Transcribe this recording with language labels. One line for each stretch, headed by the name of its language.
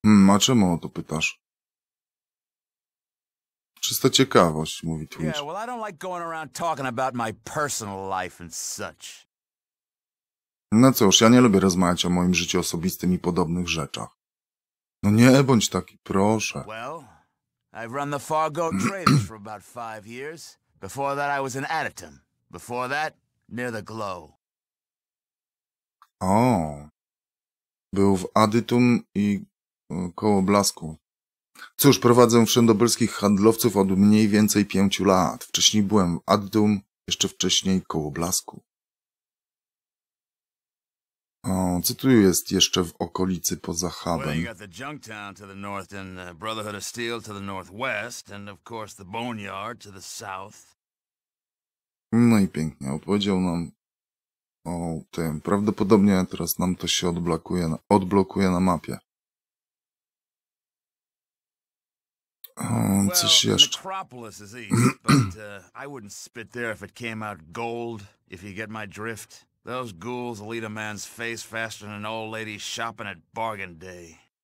Polish: A czemu o to pytasz? Czysta ciekawość, mówi Twitch.
English: Yeah, well, I don't like going around talking about my personal life and such.
Polish: No cóż, ja nie lubię rozmawiać o moim życiu osobistym i podobnych rzeczach. No nie bądź taki, proszę.
English: Well, I've run the Fargo Traders for about 5 years. Before that I was in Addictum. Before that, near the Glow.
Polish: O, był w Addictum i koło Blasku. Cóż, prowadzę wszędobylskich handlowców od mniej więcej 5 lat. Wcześniej byłem w Addictum, jeszcze wcześniej koło Blasku. O, co tu jest jeszcze w okolicy poza hubem?
English: Well, you got the Junktown to the north and the Brotherhood of Steel to the northwest and of course the Boneyard to the south.
Polish: No i pięknie, opowiedział nam o tym. Prawdopodobnie teraz nam to się odblokuje na mapie. Coś jeszcze.
English: Necropolis is east, but I wouldn't spit there if it came out gold, if you get my drift. Those ghouls will eat a man's face faster than an old lady shopping at bargain day.